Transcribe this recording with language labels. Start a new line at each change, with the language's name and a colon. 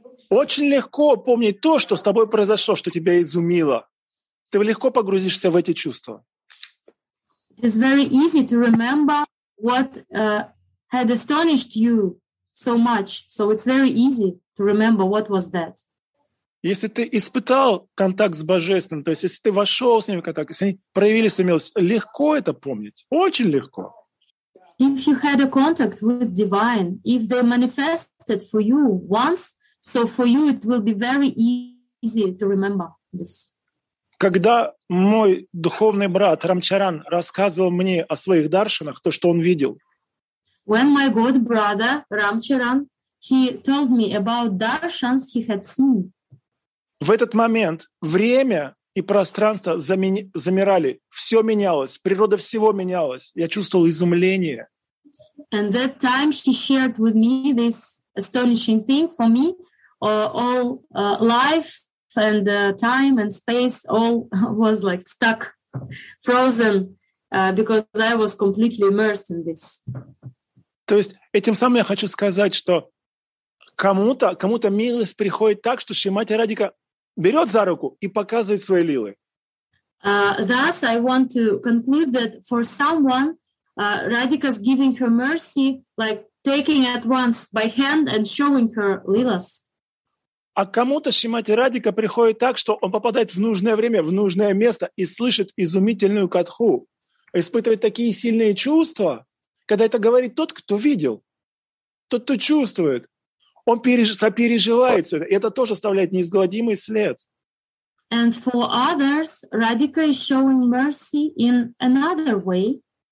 Russian: Очень легко помнить то, что с тобой произошло, что тебя изумило. Ты легко погрузишься в эти чувства.
English: It is very easy to remember what had astonished you so much. So it's very easy to remember what was that.
Russian: Если ты испытал контакт с Божественным, то есть если ты вошел с ним в контакт, если они проявили свою милость, легко это помнить. Очень легко.
English: If you had a contact with divine, if they manifested for you once, so for you it will be very easy to remember this.
Russian: Когда мой духовный брат Рамчаран рассказывал мне о своих даршанах, то, что он видел.
English: When my god brother Рамчаран, he told me about darshans he had seen.
Russian: В этот момент время и пространство замирали, все менялось, природа всего менялась. Я чувствовал изумление.
English: And that time she shared with me this astonishing thing for me. All life and time and space all was like stuck, frozen, because I was completely immersed in this.
Russian: То есть этим самым я хочу сказать, что кому-то милость приходит так, что Шримати Радика берет за руку и показывает свои лилы.
English: Thus, I want to conclude that for someone, Radhika's giving her mercy, like taking at once by hand and showing her lilas.
Russian: А кому-то Шримати Радика приходит так, что он попадает в нужное время, в нужное место и слышит изумительную катху, испытывает такие сильные чувства, когда это говорит тот, кто видел, тот, кто чувствует. Он сопереживает все это, и это тоже оставляет неизгладимый след.
English: And for others, Radhika is showing mercy in another way.